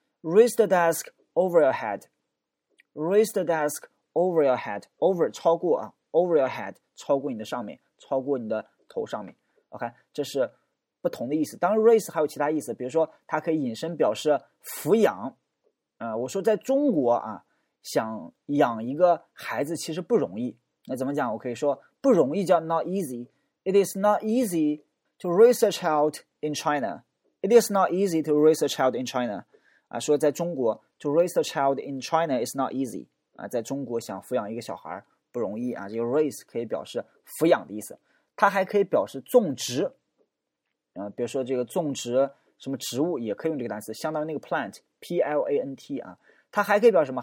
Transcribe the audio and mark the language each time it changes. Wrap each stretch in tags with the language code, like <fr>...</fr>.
<en>raise the desk,Over your head, raise the desk over your head, over</en> <zh>超过啊</zh> <en>,over your head,</en> <zh>超过你的上面，超过你的头上面。 OK, 这是不同的意思。当然 raise 还有其他意思，比如说它可以引申表示抚养。我说在中国啊，想养一个孩子其实不容易。那怎么讲？我可以说不容易叫</zh> <en>not easy. It is not easy to raise a child in China. It is not easy to raise a child in China.</en> <zh>啊，说在中国</zh> <en>To raise a child in China is not easy.</en> <zh>啊，在中国想抚养一个小孩不容易啊。这个 raise 可以表示抚养的意思，它还可以表示种植。比如说这个种植什么植物也可以用这个单词，相当于那个 plant, P-L-A-N-T 啊。它还可以表示什么？</zh>